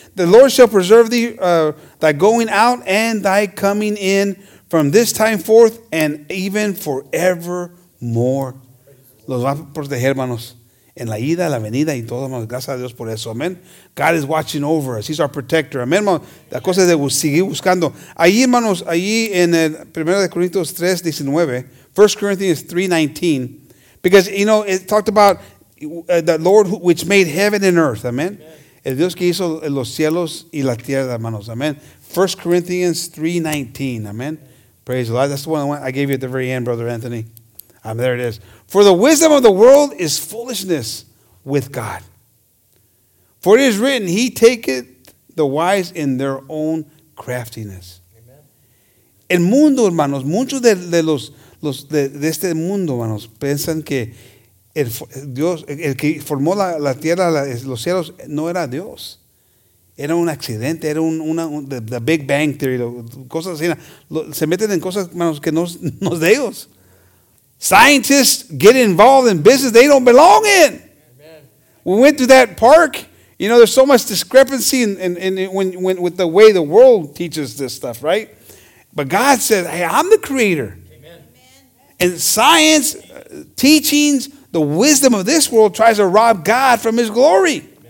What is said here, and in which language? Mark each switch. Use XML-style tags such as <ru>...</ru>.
<en>The Lord shall preserve thee, thy going out and thy coming in from this time forth and even forevermore.</en> <es>Los va a proteger, hermanos, en la ida, la venida y todo, hermanos. Gracias a Dios por eso,</es> <en>amen. God is watching over us. He's our protector, amen, hermanos.</en> <es>La cosa es de seguir buscando. Allí, hermanos, allí en el</es> <en>1 Corinthians 3:19, because, you know, it talked about the Lord which made heaven and earth, amen.</en> <es>El Dios que hizo los cielos y la tierra, hermanos. Amén. 1 Corinthians 3:19. Amén.</es> <en>Praise the Lord. That's the one I gave you at the very end, Brother Anthony. There it is. For the wisdom of the world is foolishness with God. For it is written, he taketh the wise in their own craftiness.</en> <es>Amen. El mundo, hermanos, muchos de este mundo, hermanos, piensan que Dios, el que formó la tierra, los cielos, no era Dios. Era un accidente, era</es> <en>the Big Bang Theory,</en> <es>cosas así. Se meten en cosas, hermanos, que no es de ellos.</es> <en>Scientists get involved in business they don't belong in. Amen. We went to that park. You know, there's so much discrepancy in with the way the world teaches this stuff, right? But God said, hey, I'm the creator. Amen. And science, teachings, the wisdom of this world tries to rob God from his glory.</en>